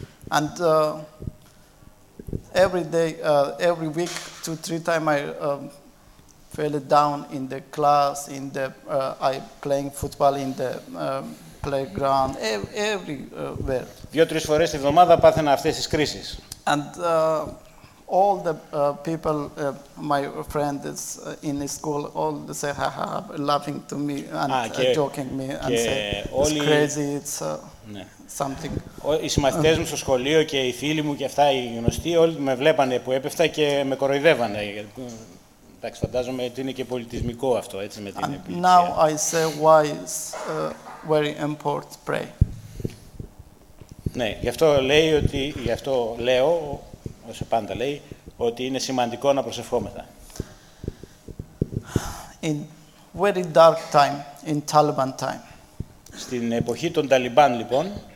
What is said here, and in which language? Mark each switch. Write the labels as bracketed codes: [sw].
[en] And every day, every week, two, three times, I fell down in the class, in the I playing football in the playground, everywhere. [el] 2-3 φορές την εβδομάδα πάθαινα αυτές τις κρίσεις. [en] And all the people, my friends in school, all the say, ha, ha, ha, laughing to me and joking me and say, it's crazy, it's something. [el] Οι συμμαθητές μου στο σχολείο και οι φίλοι μου και αυτά οι γνωστοί όλοι με βλέπανε που έπεφτα και με κοροϊδεύανε. Εντάξει, φαντάζομαι ότι είναι και πολιτισμικό αυτό, έτσι, με την επιλυσία. [en] Now I say why it's very important to pray. [el] Ναι, γι' αυτό λέει ότι, γι' αυτό λέω, όσο πάντα λέει, ότι είναι σημαντικό να προσευχόμεθα. [en] In very dark time, in Taliban time. [el] Στην εποχή των Ταλιμπάν, λοιπόν,